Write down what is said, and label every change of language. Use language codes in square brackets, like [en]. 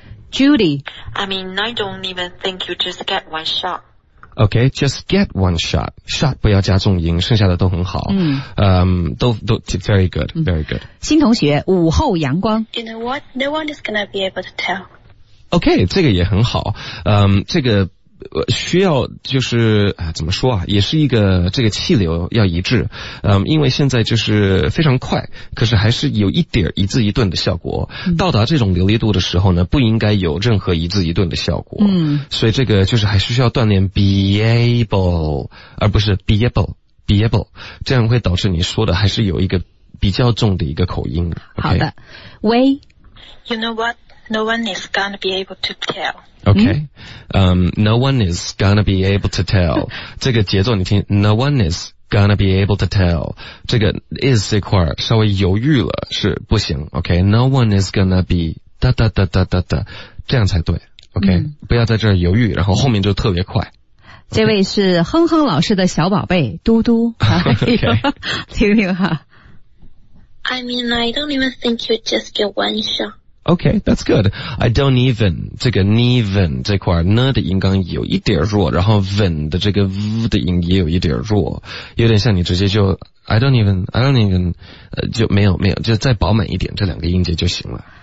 [en] Judy， I mean I don't even think you just get one shot。 OK， just get one shot， shot [zh] 不要加重音，剩下的都很好。都 [en] very good， very good。 [zh] 新同学，午后阳光。 [en] You know what? No one is gonna be able to tell。 OK， [zh] 这个也很好。这个需要就是怎么说啊，也是一个这个气流要一致。因为现在就是非常快，可是还是有一点一字一顿的效果。到达这种流利度的时候呢，不应该有任何一字一顿的效果。所以这个就是还是需要锻炼 be able， 而不是 be able， be able， 这样会导致你说的还是有一个比较重的一个口音。 [en] OK， [zh] 好的。喂， [en] You know what? No one is gonna be able to tell. Okay. No one is gonna be able to tell. [zh] 这个节奏你听 [en] ,No one is gonna be able to tell. [zh] 这个 is 这块稍微犹豫了是不行 , [en] Okay. No one is gonna be, 哒哒哒哒哒哒。 [zh] 这样才对 , [en] Okay.、 [zh] 嗯、不要在这儿犹豫，然后后面就特别快。 [en] Okay. [zh] 这位是哼哼老师的小宝贝嘟嘟。 [en] Okay. [zh] 听听哈。 [en] I mean, I don't even think you just get one shot. OK, that's good. [zh] I don't even, 这个 even 这块呢的音刚有一点弱，然后 ven 的这个 v 的音也有一点弱，有点像你直接就 I don't even, 就没有没有，就再饱满一点这两个音节就行了。